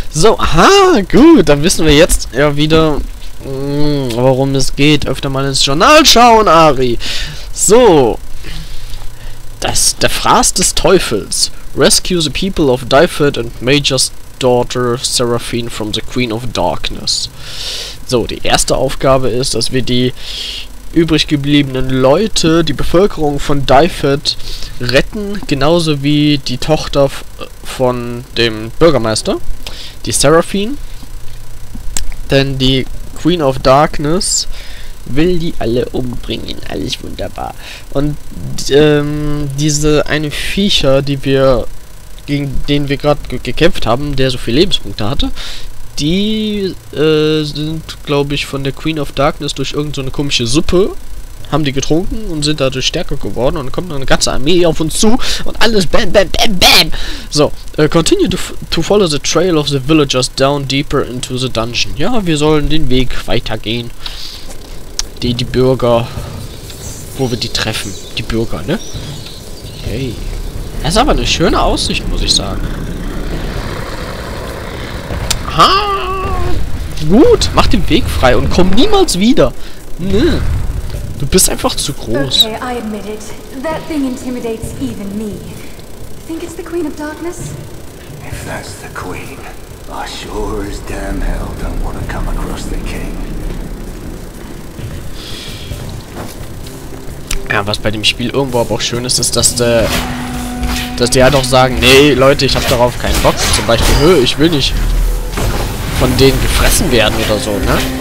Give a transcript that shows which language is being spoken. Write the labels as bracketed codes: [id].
[de] So, aha, gut, dann wissen wir jetzt ja wieder, worum es geht. Öfter mal ins Journal schauen, Ari. So. Das, der Fraß des Teufels. [en] Rescue the people of Dyfed and Major's Daughter Seraphine from the Queen of Darkness. [de] So, die erste Aufgabe ist, dass wir die übrig gebliebenen Leute, die Bevölkerung von Dyfed, retten, genauso wie die Tochter von dem Bürgermeister, die Seraphine. Denn die Queen of Darkness will die alle umbringen. Alles wunderbar. Und diese eine Viecher, die wir gegen den wir gerade gekämpft haben, der so viele Lebenspunkte hatte, die sind, glaube ich, von der Queen of Darkness durch irgendeine komische Suppe, haben die getrunken und sind dadurch stärker geworden. Und kommt eine ganze Armee auf uns zu und alles bam, bam, bam, bam. [en] So, continue to follow the trail of the villagers down deeper into the dungeon. [de] Ja, wir sollen den Weg weitergehen. Die Bürger, wo wir die treffen. Die Bürger, ne? Hey. Das ist aber eine schöne Aussicht, muss ich sagen. Ha! Gut, mach den Weg frei und komm niemals wieder. Ne. Du bist einfach zu groß. [en] Okay, I admit it. That thing intimidates even me. Think it's the Queen of Darkness? If that's the Queen, I sure as damn hell don't want to come across the King. [de] Ja, was bei dem Spiel irgendwo aber auch schön ist, ist, dass die halt auch sagen, nee, Leute, ich habe darauf keinen Bock. Zum Beispiel, hö, ich will nicht von denen gefressen werden oder so, ne?